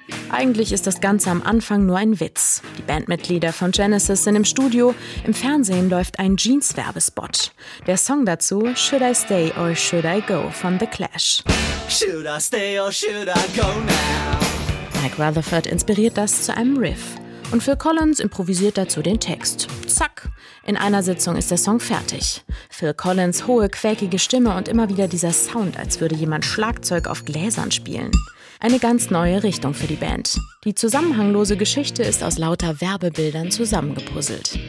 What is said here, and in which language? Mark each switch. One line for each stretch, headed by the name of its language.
German: Eigentlich ist das Ganze am Anfang nur ein Witz. Die Bandmitglieder von Genesis sind im Studio. Im Fernsehen läuft ein Jeans-Werbespot. Der Song dazu, Should I Stay or Should I Go von The Clash.
English: Should I stay or should I go now?
German: Mike Rutherford inspiriert das zu einem Riff. Und Phil Collins improvisiert dazu den Text. Zack, in einer Sitzung ist der Song fertig. Phil Collins' hohe, quäkige Stimme und immer wieder dieser Sound, als würde jemand Schlagzeug auf Gläsern spielen. Eine ganz neue Richtung für die Band. Die zusammenhanglose Geschichte ist aus lauter Werbebildern zusammengepuzzelt.